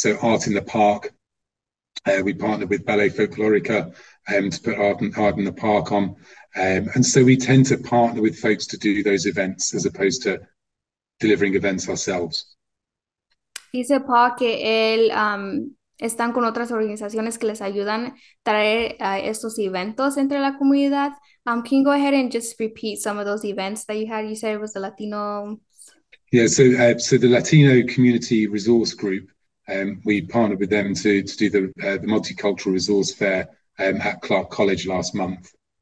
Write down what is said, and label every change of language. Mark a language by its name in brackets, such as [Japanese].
[English] So Art in the Park, we partnered with Ballet Folklorica to put Art in the Park on. And so we tend to partner with folks to do those events as opposed to delivering events ourselves. [Spanish] Dice Paul que él están con otras organizaciones que les ayudan a traer estos eventos entre la comunidad. [English] Can you go ahead and just repeat some of those events that you had? You said it was the Latino. Yeah, so the Latino Community Resource Group, we partnered with them to do the Multicultural Resource Fair at Clark College last month.